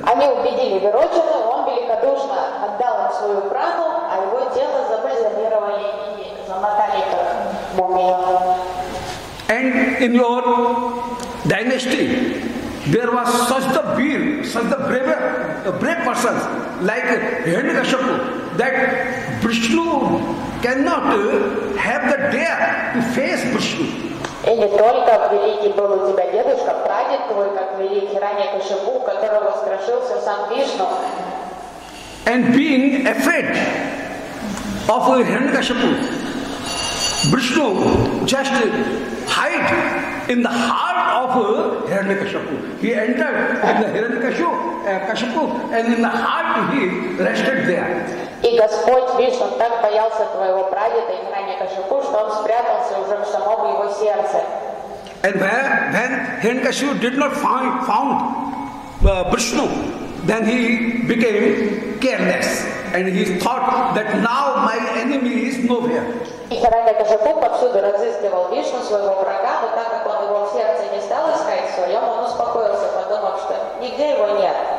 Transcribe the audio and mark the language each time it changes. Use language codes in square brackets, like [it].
[ru] Они убедили Вирочана, он великодушно отдал свою прану, а его тело забальзамировали и замотали как мумию. [en] And in your dynasty. There was such the beer, such the brave persons like Hiranyakashipu that Vishnu cannot have the dare to face Vishnu. [ru] И не только великий был у тебя дедушка, прадед твой, как великий Хираньякашипу, которого страшился сам Вишну. [en] And being afraid of Hiranyakashipu, Vishnu just hide in the heart of Hiranyakashipu. He entered in the Hiranyakashipu and in the heart he rested there. [ru] И Господь Вишну так боялся твоего прадеда Хиранякашипу, что он спрятался уже в самом его сердце. [en] And when Hiranyakashipu did not found Vishnu, then he became careless. And he thought that now my enemy is nowhere. [ru] И Хиранякашипу повсюду разыскивал Вишну своего врага, но так как он его в сердце не стал искать своем, он успокоился, подумав, что нигде его нет.